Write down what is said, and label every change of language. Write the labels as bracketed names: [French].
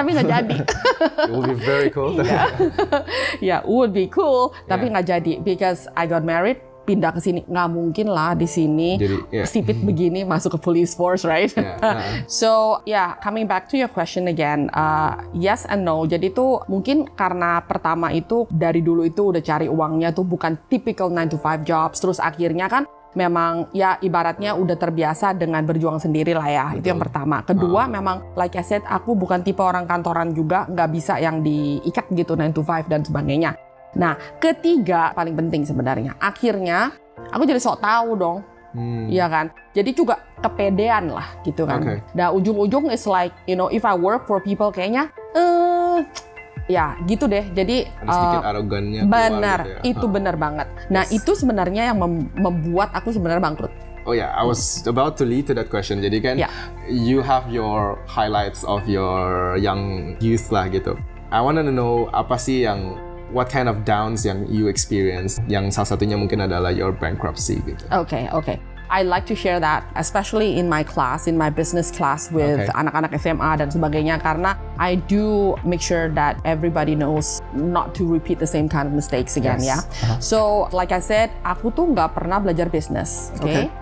[Indonesian] Tapi nggak jadi. [English] It would be very cool. Yeah. It would be cool. [Indonesian] Tapi nggak jadi [English] because I got married. [Indonesian] Pindah ke sini nggak mungkin lah di sini. Jadi, sipit begini masuk ke police force, right? [English] So yeah, coming back to your question again. Yes and no. [Indonesian] Jadi itu mungkin karena pertama itu dari dulu itu udah cari uangnya tuh bukan [English] typical 9 to 5 jobs. [Indonesian] Terus akhirnya kan. Memang ya ibaratnya udah terbiasa dengan berjuang sendiri lah ya. Betul. Itu yang pertama. Kedua memang [English] like I said, [Indonesian] aku bukan tipe orang kantoran juga, nggak bisa yang diikat gitu 9 to 5 dan sebagainya. Nah ketiga paling penting sebenarnya, akhirnya aku jadi sok tahu dong. Iya kan? Jadi juga kepedean lah gitu kan. [English] Okay. [Indonesian] Nah ujung-ujung [English] is like, you know, if I work for people [Indonesian] kayaknya ya gitu deh, jadi sedikit arogannya benar gitu ya. Itu benar banget. Nah itu sebenarnya yang membuat aku sebenarnya bangkrut. [English] Oh ya, yeah. I was about to lead to that question. [Indonesian] Jadi kan [English] you have your highlights of your young youth [Indonesian] lah gitu. [English] I wanted to know [Indonesian] apa sih yang [English] what kind of downs [Indonesian] yang [English] you experience, [Indonesian] yang salah satunya mungkin adalah [English] your bankruptcy [Indonesian] gitu. [English] Okay. I like to share that, especially in my class, in my business class with [Indonesian] anak-anak SMA dan sebagainya, karena [English] I do make sure that everybody knows not to repeat the same kind of mistakes again, [Indonesian] ya. [English] Yes. Yeah? So, like I said, [Indonesian] aku tuh nggak pernah belajar bisnis, [English] okay?